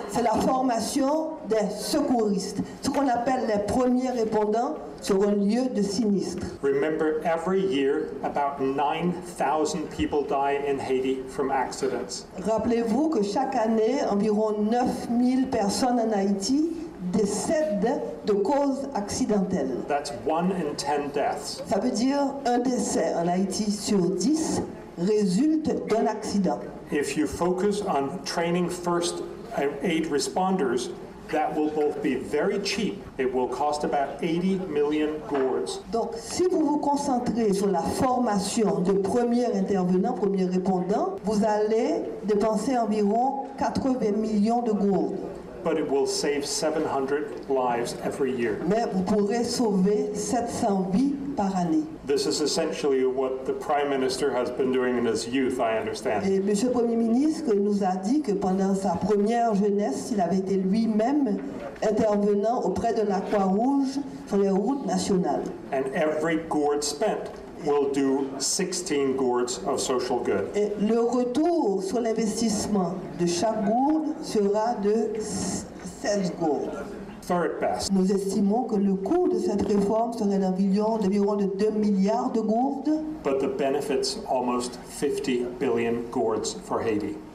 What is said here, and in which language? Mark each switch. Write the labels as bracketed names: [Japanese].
[French] c'est la formation des secouristes, ce qu'on appelle les premiers répondants sur un lieu de sinistre. [English] Remember, every year, about 9,000 people die in Haiti from accidents. [French] Rappelez-vous que chaque année, environ 9,000 personnes en Haïti décèdent de causes accidentelles. [English] That's one in 10 deaths. [French] Ça veut dire un décès en Haïti sur 10 résulte d'un accident. [English] If you focus on training first aid responders, that will both be very cheap. It will cost about 80 million gourdes. [French] Donc, si vous vous concentrez sur la formation de premiers intervenants, premiers répondants, vous allez dépenser environ 80 millions de gourdes. [English] But it will save 700 lives every year. [French] Mais vous pourrez sauver 700 vies par année. [English] This is essentially what the Prime Minister has been doing in his youth, I understand. [French] Et Monsieur le Premier ministre nous a dit que pendant sa première jeunesse, il avait été lui-même intervenant auprès de la Croix-Rouge sur les routes nationales. [English] And every gourd spent will do 16 gourds of social good. [French] Et le retour sur l'investissement de chaque gourde sera de 16 gourdes. [English] Third best. [French] Nous estimons que le coût de cette réforme serait d'environ de 2 milliards de gourdes. [English] But the benefits almost 50 billion gourds for Haiti.